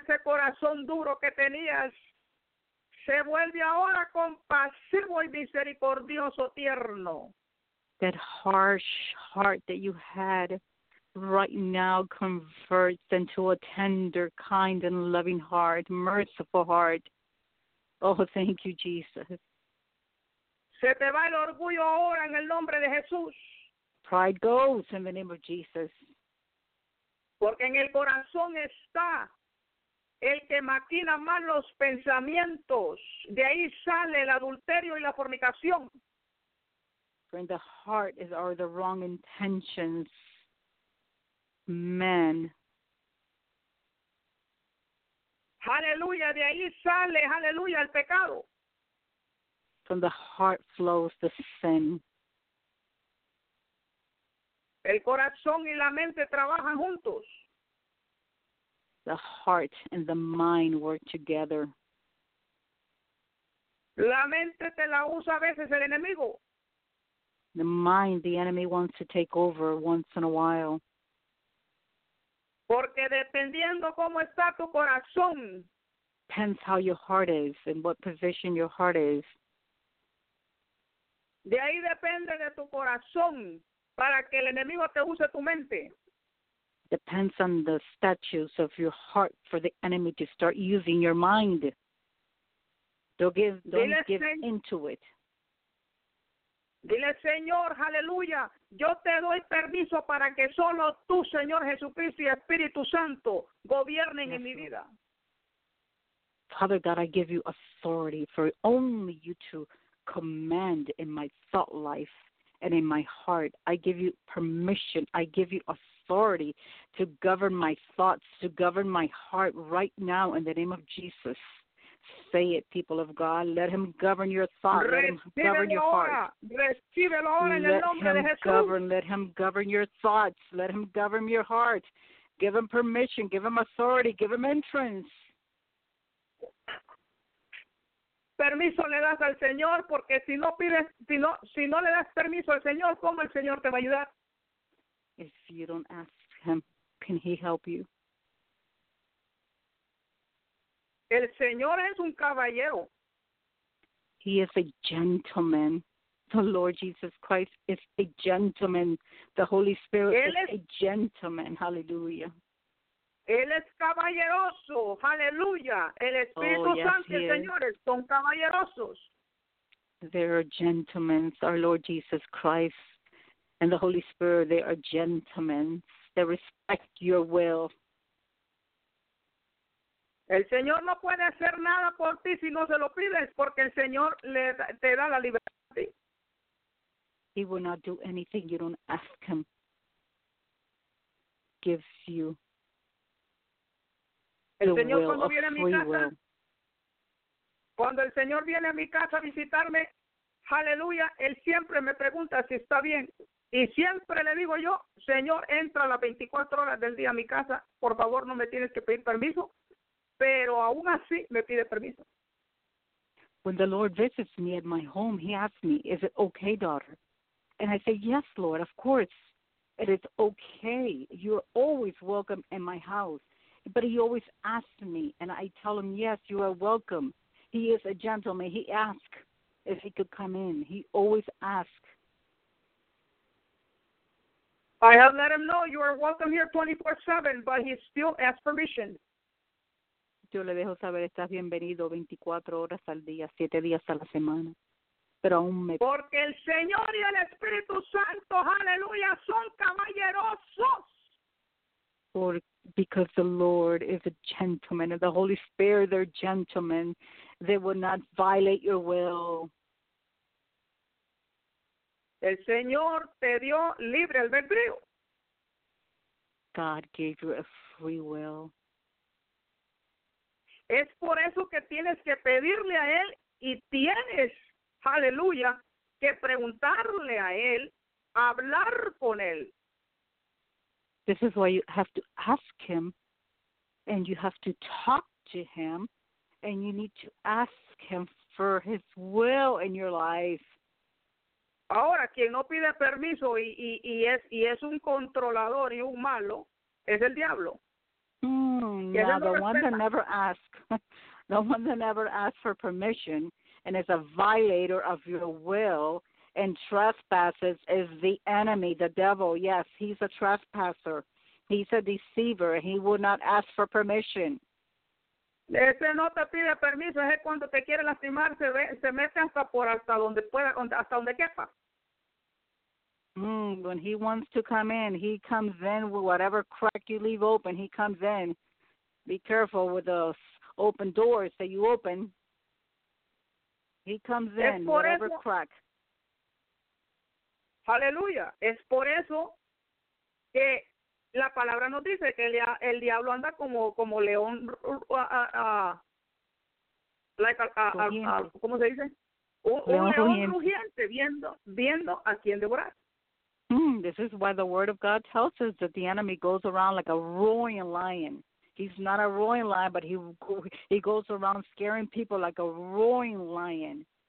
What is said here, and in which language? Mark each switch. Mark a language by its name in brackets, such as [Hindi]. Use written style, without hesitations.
[Spanish] Ese corazón duro que tenías se vuelve ahora compasivo y misericordioso, tierno. [English] That harsh heart that you had right now converts into a tender, kind, and loving heart, merciful heart. Oh, thank you, Jesus. [Spanish] Se te va el orgullo ahora en el nombre de Jesús. [English] Pride goes in the name of Jesus. [Spanish] Porque en el corazón está el que maquina malos pensamientos. De ahí sale el adulterio y la fornicación. [English] For in the heart are the wrong intentions. Men. [Spanish] Aleluya, de ahí sale, aleluya, el pecado. [English] From the heart flows the sin. [Spanish] El corazón y la mente trabajan juntos. [English] The heart and the mind work together. [Spanish] La mente te la usa a veces el enemigo. [English] The mind, the enemy wants to take over once in a while. [Spanish] Porque dependiendo cómo está tu corazón. [English] Depends how your heart is and what position your heart is. [Spanish] De ahí depende de tu corazón para que el enemigo te use tu mente. [English] Depends on the status of your heart for the enemy to start using your mind. Don't give into it. [Spanish] Dile, Señor, aleluya, yo te doy permiso para que solo tú, Señor Jesucristo y Espíritu Santo, gobiernen en mi vida. [English] Father God, I give you authority for only you to command in my thought life and in my heart. I give you permission. I give you authority to govern my thoughts, to govern my heart right now in the name of Jesus. Say it, people of God. Let him govern your thought. Let him govern your heart. Let him govern. Let him govern your thoughts. Let him govern your heart. Give him permission. Give him authority. Give him entrance. [Spanish] Permiso le das al Señor, porque si no pides, si no le das permiso al Señor, ¿cómo el Señor te va a ayudar? [English] If you don't ask him, can he help you? [Spanish] El Señor es un caballero. [English] He is a gentleman. The Lord Jesus Christ is a gentleman. The Holy Spirit is a gentleman. Hallelujah. [Spanish] Él es caballeroso, aleluya. El Espíritu Santo, señores, son caballerosos. [English] They are gentlemen, our Lord Jesus Christ and the Holy Spirit, they are gentlemen. They respect your will. [Spanish] El Señor no puede hacer nada por ti si no se lo pides, porque el Señor te da la libertad. [English] He will not do anything you don't ask him. Gives you. [Spanish] Cuando el Señor viene a mi casa a visitarme, aleluya, Él siempre me pregunta si está bien. Y siempre le digo yo, Señor, entra a las 24 horas del día a mi casa. Por favor, no me tienes que pedir permiso. Pero aún así, me pide permiso. [English] When the Lord visits me at my home, He asks me, is it okay, daughter? And I say, yes, Lord, of course. It is okay. You're always welcome in my house. But he always asks me, and I tell him, yes, you are welcome. He is a gentleman. He asks. if he could come in. He always asks. I have let him know you are welcome here 24/7, but he still asks permission. [Spanish] Yo le dejo saber, estás bienvenido 24 horas al día, 7 días a la semana. Pero aún me... Porque el Señor y el Espíritu Santo, aleluya, son caballerosos. [English] Because the Lord is a gentleman and the Holy Spirit, they're gentlemen. They will not violate your will. [Spanish] El Señor te dio libre albedrío. [English] God gave you a free will. [Spanish] Es por eso que tienes que pedirle a Él y tienes, aleluya, que preguntarle a Él, hablar con Él. [English] This is why you have to ask Him and you have to talk to Him and you need to ask Him for His will in your life. [Spanish] Ahora, quien no pide permiso y es un controlador y un malo, es el diablo. [English] The one that never asks for permission and is a violator of your will and trespasses is the enemy, the devil. Yes, he's a trespasser. He's a deceiver. He will not ask for permission. [Spanish] Ese no te pide permiso. Es cuando te quiere lastimar, se mete hasta por hasta donde pueda, hasta donde quepa. [English] When he wants to come in, he comes in with whatever crack you leave open, he comes in. Be careful with those open doors that you open. He comes in, whatever crack. Hallelujah. [Spanish] Es por eso que la palabra nos dice que el diablo anda como león, ¿cómo se dice? Un león rugiente viendo a quién devorar. [English] This is why the word of God tells us that the enemy goes around like a roaring lion. He's not a roaring lion, but he goes around scaring people like a roaring lion.